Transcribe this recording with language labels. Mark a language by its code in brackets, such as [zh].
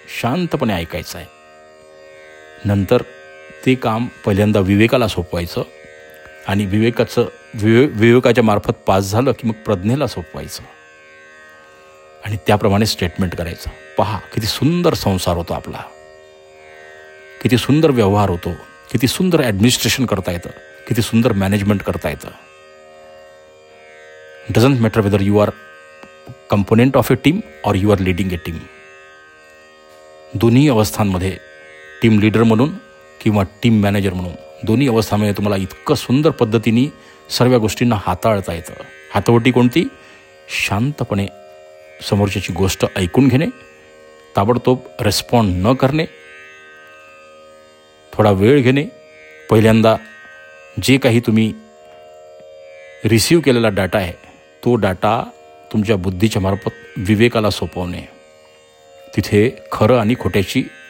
[mr] शांतपणे ऐकायचं आहे. नंतर ते काम पहिल्यांदा विवेकाला सोपवायचं आणि विवेकाच्या मार्फत पास झालं की मग प्रज्ञेला सोपवायचं. आणि त्याप्रमाणे स्टेटमेंट करायचा. पहा किती सुंदर संसार होतो आपला, किती सुंदर व्यवहार होतो, किती सुंदर ॲडमिनिस्ट्रेशन करता येतं, किती सुंदर मॅनेजमेंट करता येतं. [en] Doesn't matter whether you are component of a team or you are leading a team. [mr] दोन्ही अवस्थांमध्ये टीम लीडर म्हणून किंवा टीम मॅनेजर म्हणून दोन्ही अवस्थांमध्ये तुम्हाला इतकं सुंदर पद्धतीने सर्व गोष्टींना हाताळता येतं. हातवटी कोणती? शांतपणे समोरच्याची गोष्ट ऐकून घेणे, ताबडतोब रेस्पॉन्ड न करणे, थोडा वेळ घेणे, पहिल्यांदा जे काही तुम्ही रिसीव केलेला डाटा आहे तो डाटा तुमच्या बुद्धीच्या मार्फत विवेकाला सोपवणे, तिथे खरं आणि खोट्याची